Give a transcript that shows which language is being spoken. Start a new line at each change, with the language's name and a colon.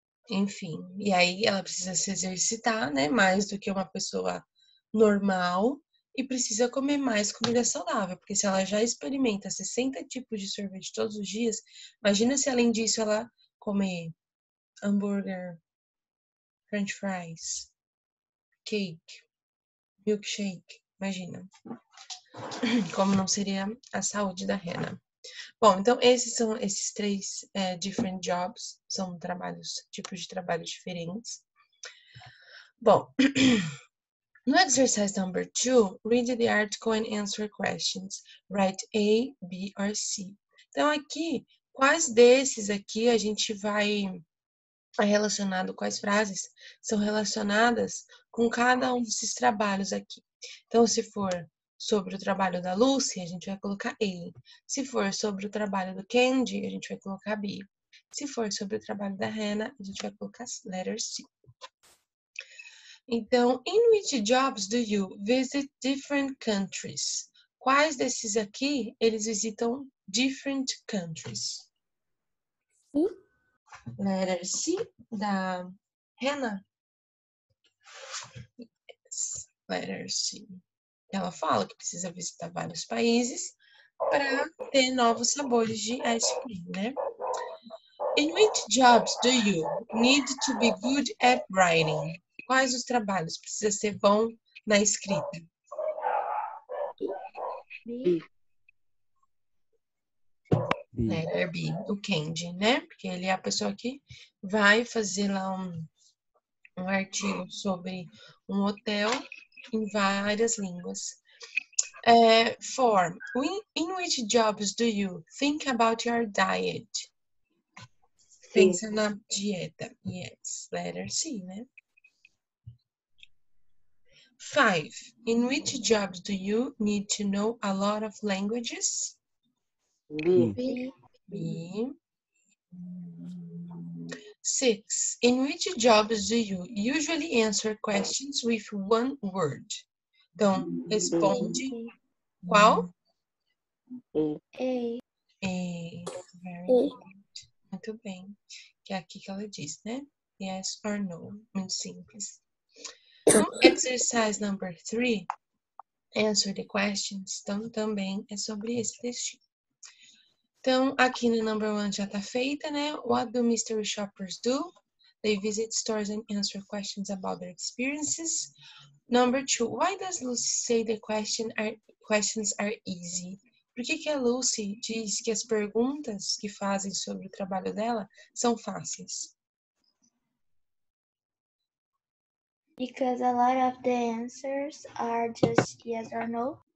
Portuguese: Enfim, e aí ela precisa se exercitar, né? Mais do que uma pessoa normal e precisa comer mais comida saudável, porque se ela já experimenta 60 tipos de sorvete todos os dias, imagina se além disso ela comer hambúrguer, french fries, cake, milkshake. Imagina como não seria a saúde da Hannah. Bom, então esses são esses três
English: different jobs,
Portuguese: são trabalhos, tipos de trabalho diferentes. Bom, no
English: exercise number two, read the article and answer questions. Write A, B or C.
Portuguese: Então aqui, quais desses aqui a gente vai relacionado, quais frases são relacionadas com cada um desses trabalhos aqui. Então, se for sobre o trabalho da Lucy, a gente vai colocar A. Se for sobre o trabalho do Candy, a gente vai colocar B. Se for sobre o trabalho da Hannah, a gente vai colocar letter C. Então,
English: in which jobs do you visit different countries?
Portuguese: Quais desses aqui eles visitam
English: different countries? Letter C da Hannah. Letter C.
Portuguese: Ela fala que precisa visitar vários países para ter novos sabores de ice cream, né?
English: In which jobs do you need to be good at writing?
Portuguese: Quais os trabalhos precisa ser bom na escrita? Letter B, o Candy, né? Porque ele é a pessoa que vai fazer lá um artigo sobre um hotel em várias línguas.
English: Four. In which jobs do you think about your diet?
Portuguese: pensa na dieta.
English: Yes, letter C,
Portuguese: né?
English: 5. In which job do you need to know a lot of languages? B. 6. In which jobs do you usually answer questions with one word?
Portuguese: Então, responde qual?
English: A. Very good.
Portuguese: Muito bem. Que é aqui que ela diz, né?
English: Yes or no.
Portuguese: Muito simples.
English: No exercise number 3, answer the questions.
Portuguese: Então, também é sobre esse textinho. Então, aqui no number 1 já tá feita, né?
English: What do mystery shoppers do? They visit stores and answer questions about their experiences. Number 2, why does Lucy say the questions are easy?
Portuguese: Por que que a Lucy diz que as perguntas que fazem sobre o trabalho dela são fáceis?
English: Because a lot of the answers are just yes or no.